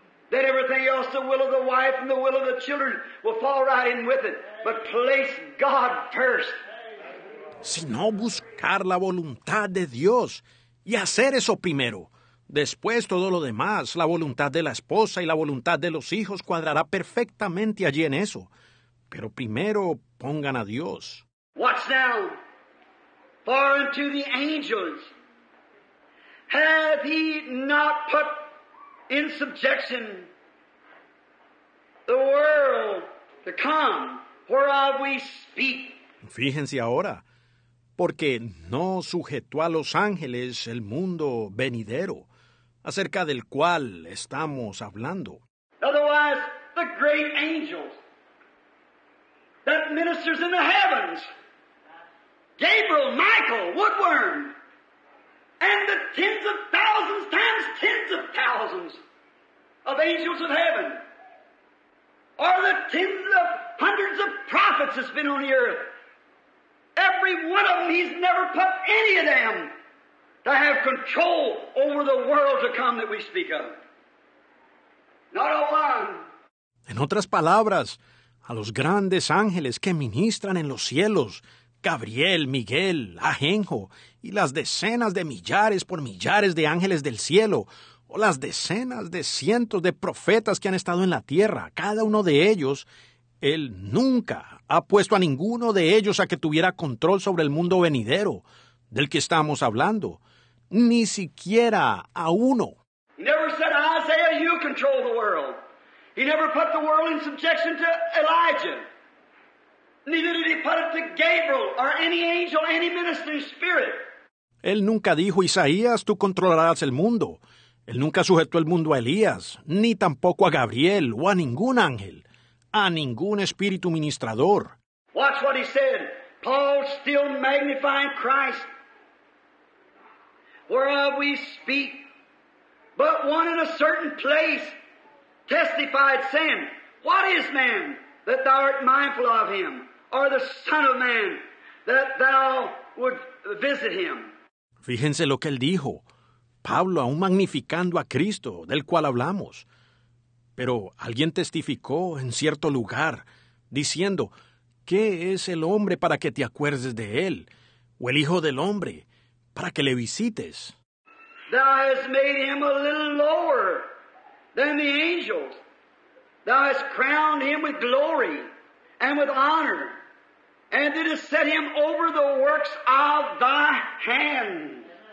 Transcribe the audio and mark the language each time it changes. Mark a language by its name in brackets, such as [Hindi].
[English] Then everything else, the will of the wife and the will of the children, will fall right in with it. But place God first. [Spanish] Sino buscar la voluntad de Dios y hacer eso primero. Después todo lo demás, la voluntad de la esposa y la voluntad de los hijos cuadrará perfectamente allí en eso. Pero primero pongan a Dios. [English] Watch now. For unto the angels hath he not put in subjection the world to come, whereof we speak. [Spanish] Fíjense ahora. Porque no sujetó a los ángeles el mundo venidero, acerca del cual estamos hablando. [English] Otherwise, the great angels that ministers in the heavens, Gabriel, Michael, Woodworm, and the tens of thousands times tens of thousands of angels of heaven, or the tens of hundreds of prophets that's been on the earth, every one of them, he's never put any of them to have control over the world to come that we speak of. Not a one. [Spanish] En otras palabras, a los grandes ángeles que ministran en los cielos, Gabriel, Miguel, Ajenjo, y las decenas de millares por millares de ángeles del cielo, o las decenas de cientos de profetas que han estado en la tierra, cada uno de ellos, Él nunca ha puesto a ninguno de ellos a que tuviera control sobre el mundo venidero del que estamos hablando. Ni siquiera a uno. [English] He never said, Isaiah, you control the world. He never put the world in subjection to Elijah. Neither did he put it to Gabriel or any angel, any ministering spirit. [Spanish] Él nunca dijo, Isaías, tú controlarás el mundo. Él nunca sujetó el mundo a Elías, ni tampoco a Gabriel o a ningún ángel, a ningún espíritu ministrador. [English] Watch what he said. Paul still magnifying Christ. Whereof we speak. But one in a certain place testified saying, what is man that thou art mindful of him? Or the son of man that thou would visit him? [Spanish] Fíjense lo que él dijo. Pablo aún magnificando a Cristo, del cual hablamos. Pero alguien testificó en cierto lugar, diciendo, ¿qué es el hombre para que te acuerdes de él? ¿O el hijo del hombre para que le visites? [English] Thou hast made him a little lower than the angels. Thou hast crowned him with glory and with honor. And didst set him over the works of thy hand.